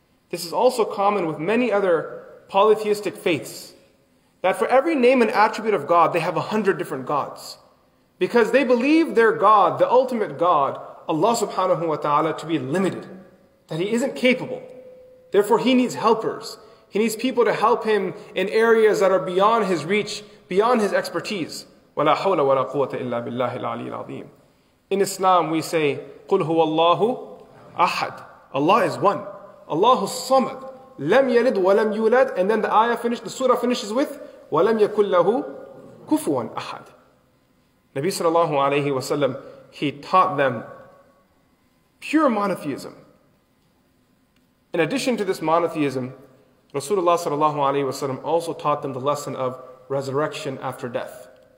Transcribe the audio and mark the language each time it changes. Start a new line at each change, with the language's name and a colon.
English: This is also common with many other polytheistic faiths, that for every name and attribute of God, they have 100 different gods. Because they believe their God, the ultimate God, Allah subhanahu wa ta'ala, to be limited, that He isn't capable. Therefore, He needs helpers. He needs people to help Him in areas that are beyond His reach, beyond His expertise.
Arabic: وَلَا حَوْلَ وَلَا قُوَّةَ إِلَّا بِاللَّهِ الْعَلِيِّ الْعَظِيمِ
English: In Islam, we say,
Arabic: قُلْ هُوَ اللَّهُ أَحَدْ
English: Allah is one.
Arabic: Allahu samad. لَمْ يَلِدْ وَلَمْ يُولَدْ
English: And then the ayah finished, the surah finishes with,
Arabic: وَلَمْ يَكُلْ لَهُ كُفُوًا أَحَدْ
English: Nabi sallallahu alayhi wa sallam, he taught them pure monotheism. In addition to this monotheism, Rasulullah sallallahu alayhi wa sallam also taught them the lesson of resurrection after death.